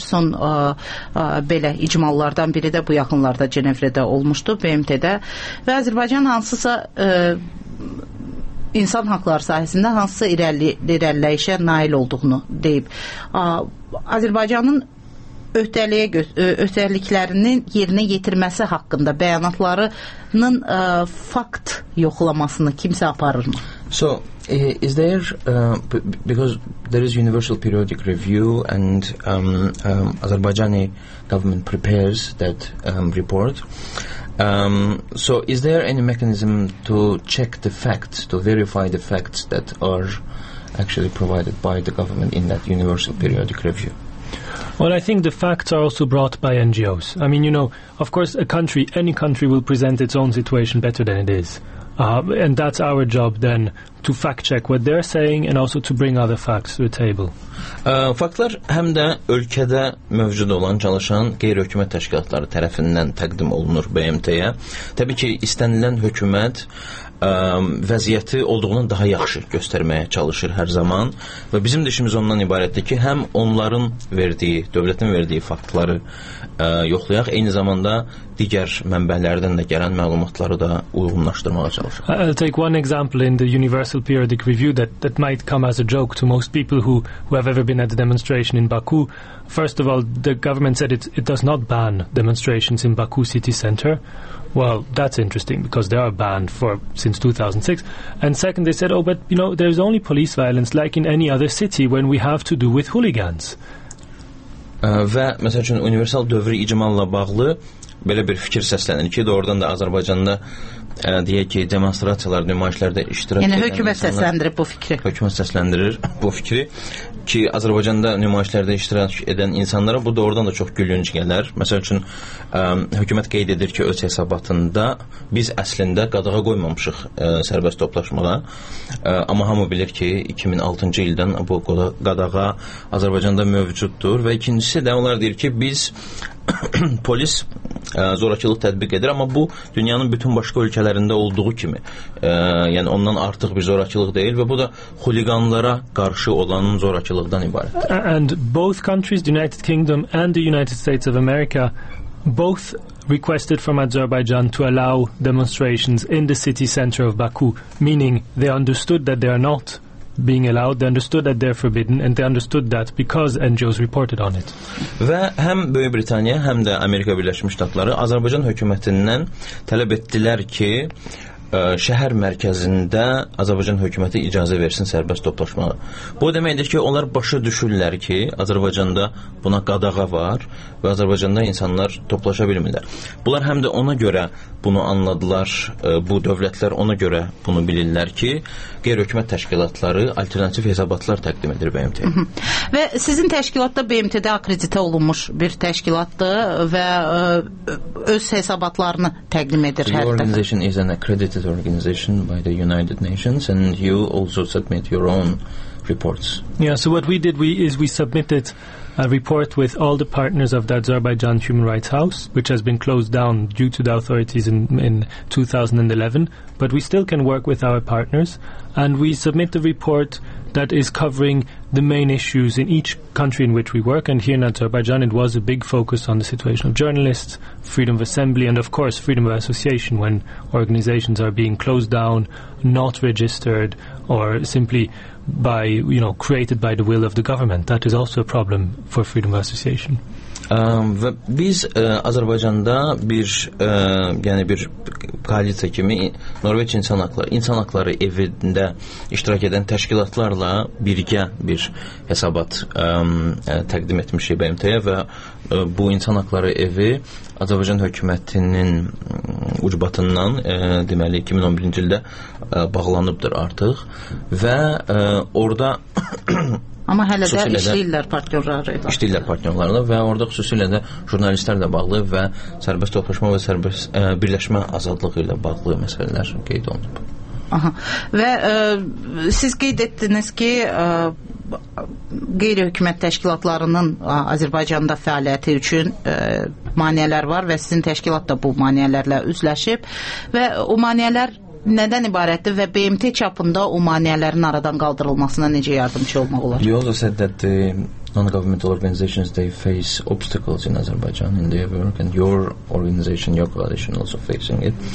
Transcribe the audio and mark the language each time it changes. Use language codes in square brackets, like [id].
[az] Son belə icmallardan biri də bu yaxınlarda Cenevrədə olmuşdu, BMT-də və Azərbaycan hansısa insan haqları sahəsində hansısa irəliləyişə nail olduğunu deyib. Azərbaycanın öhdəliyə öhdəliklərinin yerinə yetirməsi haqqında bəyanatlarının fakt yoxlamasını kimsə aparır mı? [en] So, is there because there is universal periodic review and Azerbaijani government prepares that report. So is there any mechanism to check the facts, to verify the facts that are actually provided by the government in that universal periodic review? Well, I think the facts are also brought by NGOs. I mean, you know, of course, any country will present its own situation better than it is. And that's our job then, to fact-check what they're saying and also to bring other facts to the table. [az] Faktlar həm də ölkədə mövcud olan, çalışan qeyri-hökumət təşkilatları tərəfindən təqdim olunur BMT-yə. Təbii ki, istənilən hökumət vəziyyəti olduğunu daha yaxşı göstərməyə çalışır hər zaman və bizim də işimiz ondan ibarətdir ki, həm onların verdiyi, dövlətin verdiyi faktları yoxlayaq, eyni zamanda digər mənbələrdən də gələn məlumatları da uyğunlaşdırmağa çalışaq. [en] I'll take one example in the Universal Periodic Review that might come as a joke to most people who have ever been at the demonstration in Baku. First of all, the government said it does not ban demonstrations in Baku city center. Well, that's interesting because they are banned since 2006. And second, they said, oh, but, you know, there's only police violence like in any other city when we have to do with hooligans. [az] Və, məsəl üçün, universal dövrü icmalla bağlı belə bir fikir səslənir ki, doğrudan da Azərbaycanda deyək ki, demonstrasiyalar, nümayişlərdə iştirak edən hökumət səsləndirir bu fikri. Hökumət səsləndirir bu fikri ki, Azərbaycanda nümayişlərdə iştirak edən insanlara bu doğrudan da çox gülünc gələr. Məsəl üçün, hökumət qeyd edir ki, öz hesabatında biz əslində qadağa qoymamışıq sərbəst toplaşmağa. Amma hamı bilir ki, 2006-cı ildən bu qadağa Azərbaycanda mövcuddur və ikincisi də onlar deyir ki, biz polis zorakılıq tətbiq edir, amma bu dünyanın bütün başqa ölkələrində olduğu kimi, yəni ondan artıq bir zorakılıq deyil və bu da xuliqanlara qarşı olanın zorakılıqdan ibarətdir. [en] And both countries, the United Kingdom and the United States of America, both requested from Azerbaijan to allow demonstrations in the city center of Baku, meaning they understood that they are not being allowed, they understood that they're forbidden, and they understood that because NGOs reported on it. [az] Və həm Böyük Britaniya, həm də Amerika Birləşmiş Ştatları Azərbaycan hökumətindən tələb etdilər ki, şəhər mərkəzində Azərbaycan hökuməti icazə versin sərbəst toplaşmağa. Bu deməkdir ki, onlar başa düşürlər ki, Azərbaycanda buna qadağa var və Azərbaycanda insanlar toplaşa bilmirlər. Bunlar həm də ona görə bunu anladılar, bu dövlətlər ona görə bunu bilirlər ki, qeyri-hökumət təşkilatları alternativ hesabatlar təqdim edir BMT-yə. Və sizin təşkilatda BMT-də akreditə olunmuş bir təşkilatdır və öz hesabatlarını təqdim edir hər dəfə. [en] Your organization is an accredited organization by the United Nations and you also submit your own reports. Yeah, so what we did we submitted a report with all the partners of the Azerbaijan Human Rights House, which has been closed down due to the authorities in 2011, but we still can work with our partners, and we submit the report that is covering the main issues in each country in which we work, and here in Azerbaijan it was a big focus on the situation of journalists, freedom of assembly, and of course freedom of association when organizations are being closed down, not registered, or simply by, you know, created by the will of the government. That is also a problem for freedom of association. [az] Və biz Azərbaycanda bir, yəni bir koalisiya kimi Norveç insan haqları evində iştirak edən təşkilatlarla birgə bir hesabat təqdim etmişik BMT-yə və bu insan haqları evi Azərbaycan hökumətinin ucbatından, deməli 2011-ci ildə bağlanıbdır artıq və orada Amma hələ də işləyirlər partnyorlarla. İşləyirlər partnyorlarla və orada xüsusilə də jurnalistlərlə bağlı və sərbəst toplaşma və sərbəst birləşmə azadlığı ilə bağlı məsələlər qeyd olunub. Və siz qeyd etdiniz ki, qeyri-hökumət təşkilatlarının Azərbaycanda fəaliyyəti üçün maneələr var və sizin təşkilat da bu maneələrlə üzləşib və o maneələr nədən ibarətdir və BMT çapında o maneələrin aradan qaldırılmasına necə yardımcı olmaq olar? [en] You also said that the non-governmental organizations, they face obstacles in Azerbaijan in their work and your organization, your coalition also facing it.